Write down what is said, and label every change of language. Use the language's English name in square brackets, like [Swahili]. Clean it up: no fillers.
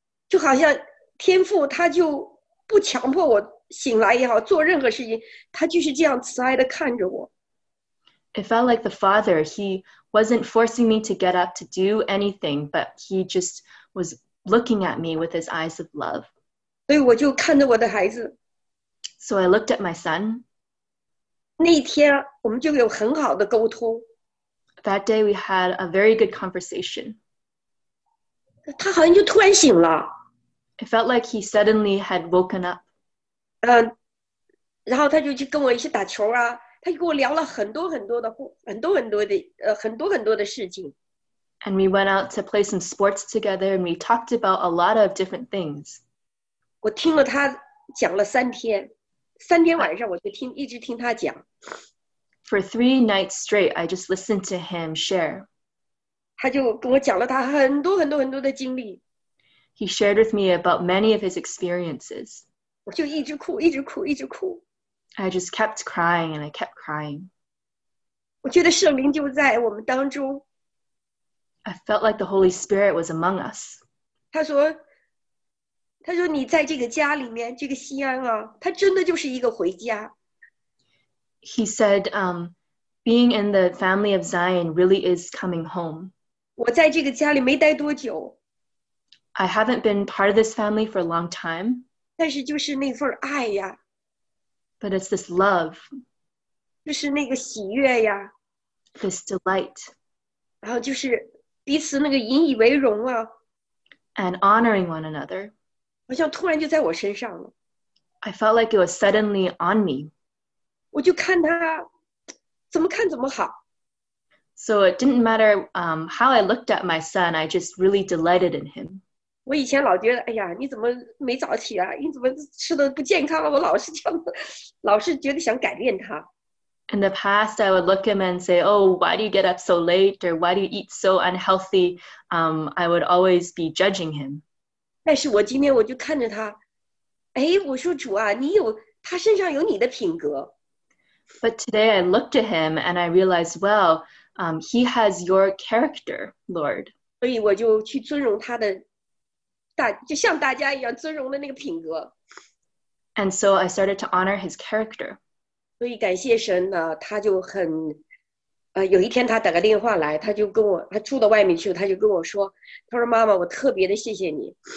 [Chinese] 就好像天父他就不强迫我醒来也好，做任何事情，他就是这样慈爱地看着我。 [English] It felt like the Father, he wasn't forcing me to get up to do anything, but he just was looking at me with his eyes of love. [Chinese] 所以我就看着我的孩子。 [English] So I looked at my son. [Chinese] 那天我们就有很好的沟通。 [English] That day we had a very good conversation. [Chinese] 他好像就突然醒了。 [English] It felt like he suddenly had woken up. [Chinese] 然后他就去跟我一起打球啊。他跟我聊了很多很多的很多很多的很多很多的事情。 [English] And we went out to play some sports together and we talked about a lot of different things. [Chinese] 我听了他讲了三天。三天晚上我就听一直听他讲。 [English] For three nights straight, I just listened to him share. [Chinese] 他就跟我讲了他很多很多很多的经历。 [English] He shared with me about many of his experiences. [Chinese] 我就一直哭一直哭一直哭。 [English] I just kept crying and I kept crying. [Chinese] 我觉得圣灵就在我们当中。 [English] I felt like the Holy Spirit was among us. [Chinese] 他说你在这个家里面，这个西安啊，它真的就是一个回家。 [English] He said, being in the family of Zion really is coming home. [Chinese] 我在这个家里没待多久。 [English] I haven't been part of this family for a long time. [Chinese] 但是就是那份爱呀。 [English] But it's this love. [Chinese] 就是那个喜悦呀。 [English] This delight. [Chinese] 然后就是彼此那个引以为荣啊。 [English] And honoring one another. [Chinese] 好像突然就在我身上了。 [English] I felt like it was suddenly on me. [Chinese] 我就看他怎么看怎么好。 [English] So it didn't matter how I looked at my son, I just really delighted in him. [Chinese] 我以前老觉得，哎呀，你怎么没早起啊？你怎么吃的不健康啊？我老是觉得想改变他。 [English] In the past, I would look at him and say, oh, why do you get up so late? Or why do you eat so unhealthy? I would always be judging him. [Chinese] 但是我今天我就看着他，哎，我说主啊，他身上有你的品格。 [English] But today I looked at him and I realized, well, he has your character, Lord. [Chinese] 所以我就去尊荣他的。就像大家一样尊荣的那个品格。 [English] And so I started to honor his character. [Chinese] 所以感谢神呢，他就很，有一天他打个电话来，他住到外面去，他就跟我说，他说妈妈，我特别的谢谢你。